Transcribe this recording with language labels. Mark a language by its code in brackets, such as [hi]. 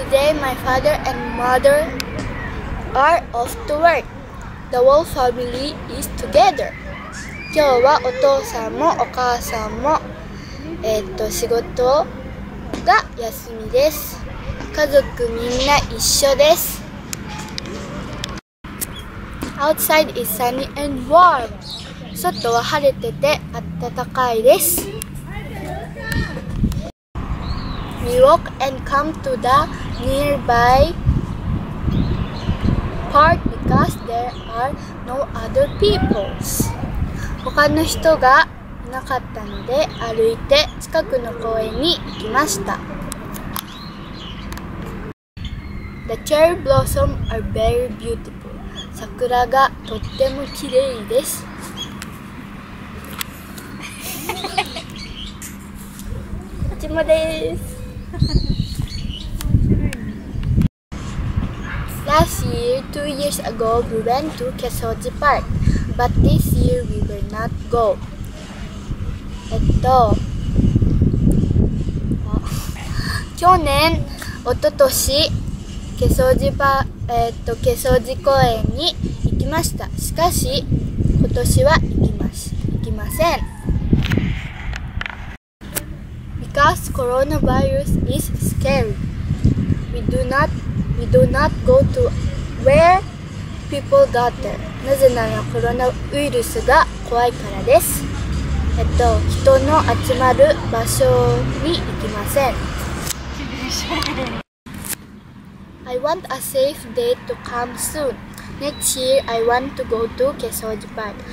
[en] Today, my father and mother are off to work. The whole family is together. [ja] 今日はお父さんもお母さんも、仕事が休みです。家族みんな一緒です。 [en] Outside is sunny and warm. [ja] 外は晴れてて暖かいです。 [en] We walk and come to the nearby park because there are no other people. [ja] 他の人がいなかったので歩いて近くの公園に行きました。 [en] The cherry blossoms are very beautiful. [ja] 桜がとっても綺麗です。こっちもです。 [en] Last year, 2 years ago, we went to CaCa's park, but this year we will not go. [ja] あ、去年、おととし、CaCa's park、CaCa's公園に行きました。しかし、今年は行きません。 [en] Because coronavirus is scary, we do not go to where people gather. [ja] なぜならコロナウイルスが怖いからです。人の集まる場所に行きません。 [en] I want a safe day to come soon. Next year, I want to go to CaCa's park.